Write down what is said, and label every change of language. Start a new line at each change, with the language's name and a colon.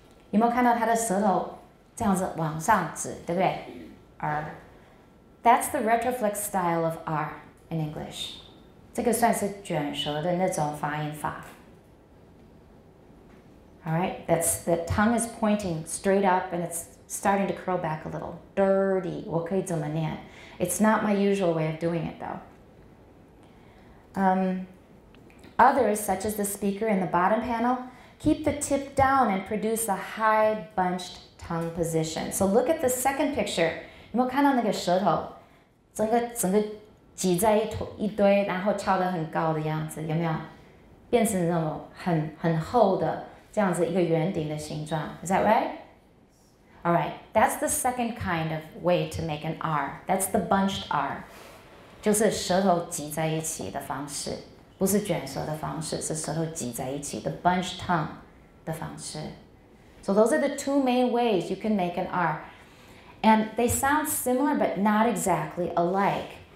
Chinese: 有没有看到他的舌头这样子往上指，对不对 ？
English: R. That's the retroflex style of R in English.
Chinese: 这个算是卷舌的那种发音法。
English: All right, that's the tongue is pointing straight up and it's starting to curl back a little. Dirty.
Chinese: 我可以怎么念 ？
English: It's not my usual way of doing it though. Others, such as the speaker in the bottom panel, keep the tip down and produce a high bunched tongue position. So look at the second picture.
Chinese: 有没有看到那个舌头整个挤在一堆然后翘得很高的样子有没有变成那种很厚的这样子一个圆顶的形状
English: Is that right? All right, that's the second kind of way to make an R. That's the bunched R.
Chinese: 就是舌头挤在一起的方式，不是卷舌的方式，是舌头挤在一起 ，
English: the bunched tongue
Chinese: 的方式。
English: So those are the two main ways you can make an R, and they sound similar but not exactly alike.